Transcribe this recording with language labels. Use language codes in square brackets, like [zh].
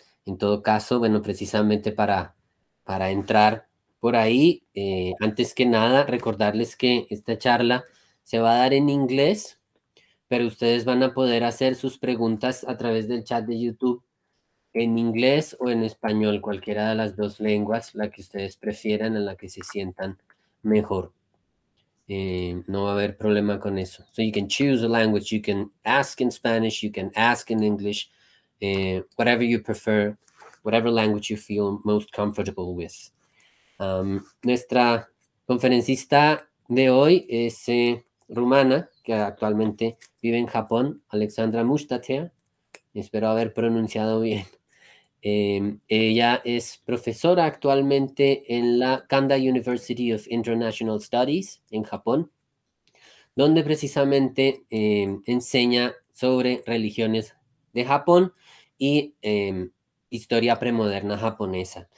[es] En todo caso, bueno, precisamente para entrar por ahí, antes que nada, recordarles que esta charla se va a dar en inglés, pero ustedes van a poder hacer sus preguntas a través del chat de YouTube en inglés o en español, cualquiera de las dos lenguas, la que ustedes prefieran, en la que se sientan mejor. No va a haber problema con eso. [en] So you can choose the language, you can ask in Spanish, you can ask in English, whatever you prefer, whatever language you feel most comfortable with. [es] Nuestra conferencista de hoy es rumana, que actualmente vive en Japón, Alexandra Mustatea, espero haber pronunciado bien. Ella es profesora actualmente en la Kanda University of International Studies en Japón, donde precisamente enseña sobre religiones de Japón y historia premoderna japonesa.